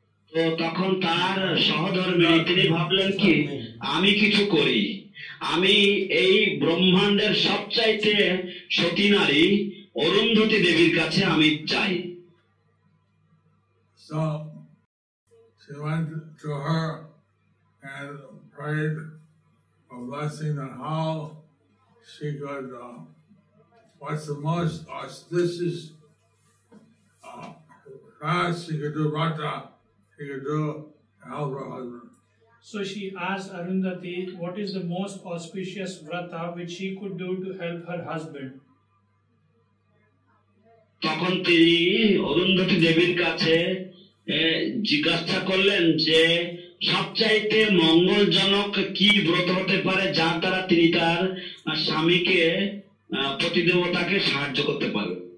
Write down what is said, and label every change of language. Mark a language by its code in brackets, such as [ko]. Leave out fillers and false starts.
[bn] So তখন তার সহধর্মিনী তিনি ভাবলেন কি আমি কিছু করি. আমি এই ব্রহ্মাণ্ডের সবচাইতে সতী নারী অরুন্ধতী দেবীর কাছে আমি যাই. [en] So she went to her and prayed a blessing on how she could what's the most auspicious fast she could do vata, she could do help her husband. So she asked Arundhati, what is the most auspicious vrata which she could do to help her husband? [bn] তখন তিনি অরুন্ধতি দেবীর কাছে জিজ্ঞাসা করলেন যে সবচাইতে মঙ্গলজনক কি ব্রত হতে পারে যার দ্বারা তিনি তার স্বামীকে প্রতিদেবতাকে সাহায্য করতে পারে.